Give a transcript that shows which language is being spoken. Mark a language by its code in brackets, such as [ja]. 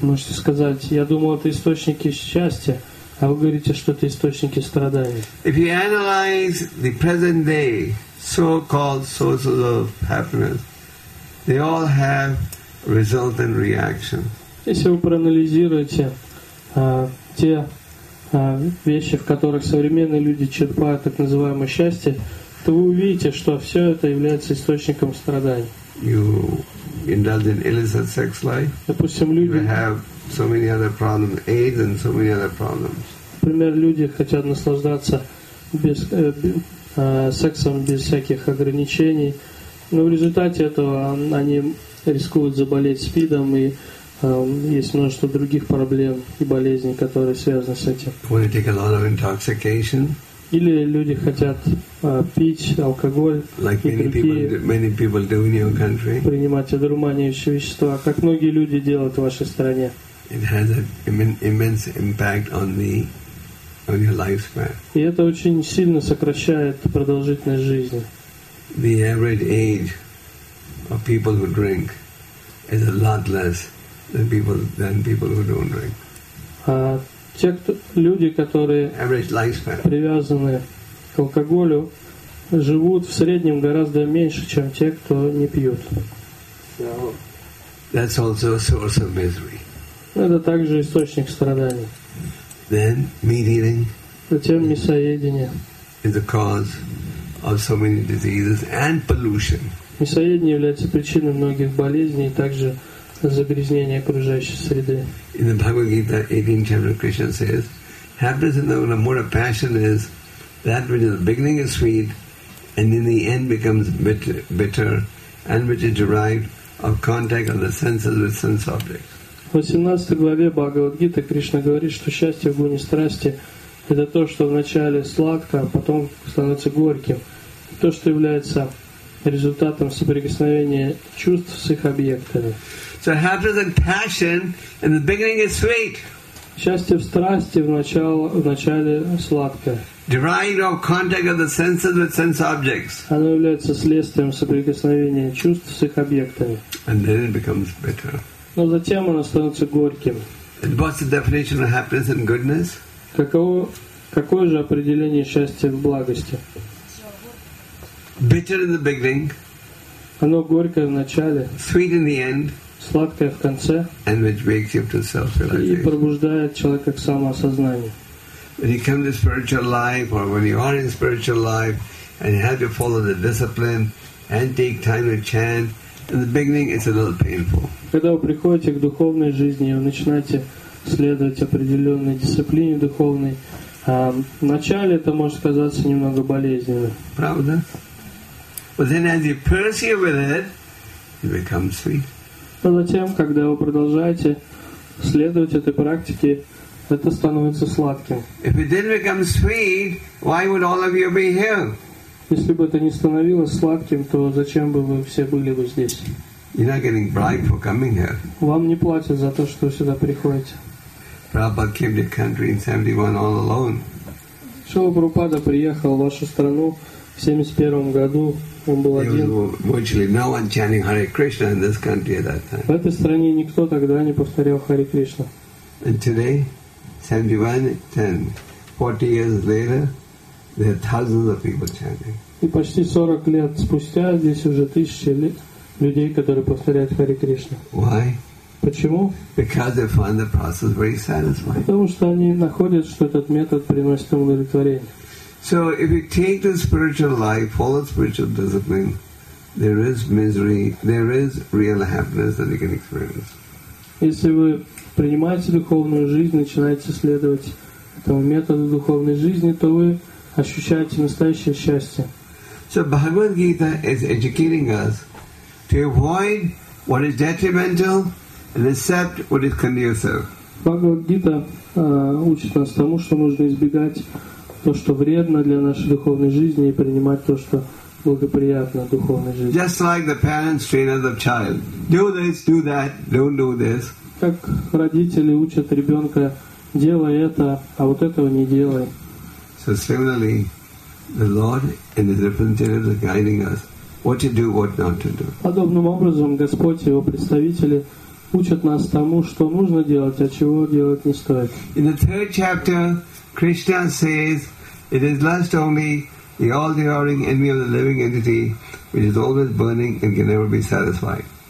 [ru] Можете сказать, я думал, это источники счастья, а вы говорите, что это источники страданий. [en] If you analyze the present day so-called sources of happiness, they all have resultant reaction. [ru] Если вы проанализируете те вещи, в которых современные люди черпают так называемое счастье, то вы увидите, что все это является источником страданий. [en] You indulge in illicit sex life. [ru] Допустим, люди, [en] you have so many other problems, AIDS and so many other problems. [ru] Например, люди хотят наслаждаться без сексом без всяких ограничений, но в результате этого они рискуют заболеть СПИДом и есть множество других проблем и болезней, которые связаны с этим. [en] Want to take a lot of intoxication? [ru] Или люди хотят пить алкоголь, [en] like many [ru] другие, [en] people do in your country. [ru] Принимать одурманивающие вещества, как многие люди делают в вашей стране. [en] It has an immense impact on the on your lifespan. [ru] И это очень сильно сокращает продолжительность жизни. [en] The average age of people who drink is a lot less than people who don't drink. [ru] Те люди, которые привязаны к алкоголю, живут в среднем гораздо меньше, чем те, кто не пьет. [en] That's also a source of misery. [ru] Это также источник страданий. [en] Then meat eating. [ru] Затем мясоедение. [en] Is the cause of so many diseases and pollution. [ru] Мясоедение является причиной многих болезней и также загрязнения окружающей среды. [en] In the Bhagavad Gita, 18th chapter, Krishna says, "Happiness in the mode of passion is that which in the beginning is sweet, and in the end becomes bitter, and which is derived of contact of the senses with sense objects." [ru] В 18 главе Бхагавад Гиты Кришна говорит, что счастье в гуне страсти – это то, что вначале сладко, а потом становится горьким. И то, что является результатом соприкосновения чувств с их объектами. [en] So happiness and passion in the beginning is sweet. [ru] Счастье в страсти вначале сладкое. [en] Derived of contact of the senses with sense objects. [ru] Оно является следствием соприкосновения чувств с их объектами. [en] And then it becomes bitter. [ru] Но затем оно становится горьким. [en] And what's the definition of happiness and goodness? [ru] Какое же определение счастья в благости? [en] Bitter in the beginning. [ru] Оно горькое в начале. [en] Sweet in the end. [ru] Сладкое в конце. [en] And which wakes you to self-realization. [ru] И пробуждает человека к самоосознанию. [en] When you come to spiritual life, or when you are in spiritual life, and you have to follow the discipline, and take time to chant, in the beginning it's a little painful. [ru] Когда вы приходите к духовной жизни и вы начинаете следовать определенной дисциплине духовной, вначале это может казаться немного болезненным. Правда? [en] But then, as you persevere with it, it becomes sweet. [ru] Но затем, когда вы продолжаете следовать этой практике, это становится сладким. [en] If it didn't become sweet, why would all of you be here? [ru] Если бы это не становилось сладким, то зачем бы вы все были бы здесь? [en] You're not getting bribed for coming here. [ru] Вам не платят за то, что вы сюда приходите. [en] Prabhupada came to country in 71 all alone. [ru] Шрила Прабхупада приехал в вашу страну в 71 году. Он был один. [en] There was virtually no one chanting Hare Krishna in this country at that time. [ru] В этой стране никто тогда не повторял Hare Krishna. [en] And today, 71, 10, 40 years later, there are thousands of people chanting. [ru] И почти 40 лет спустя здесь уже тысячи лет. Людей, которые повторяют Хари Кришна. [en] Why? [ru] Почему? [en] Because they find the process very satisfying. [ru] Потому что они находят, что этот метод приносит им удовлетворение. [en] So if you take the spiritual life, follow spiritual discipline, there is misery, there is real happiness that you can experience. [ru] Если вы принимаете духовную жизнь, начинаете следовать этому методу духовной жизни, то вы ощущаете настоящее счастье. [en] So Bhagavad Gita is educating us to avoid what is detrimental and accept what is conducive. [ru] Bhagavad Gita учит нас тому, что нужно избегать то, что вредно для нашей духовной жизни, и принимать то, что благоприятно духовной жизни. [en] Just like the parents train the child, do this, do that, don't do this. [ru] Как родители учат ребенка, делай это, а вот этого не делай. [en] So similarly, the Lord in His representatives is guiding us. What to do, what not to do. [ru] Подобным образом Господь и его представители учат нас тому, что нужно делать, а чего делать не стоит. [en] In the third chapter, Krishna says, "It is lust only, the all-devouring enemy of the living entity, which is always burning and can never be satisfied."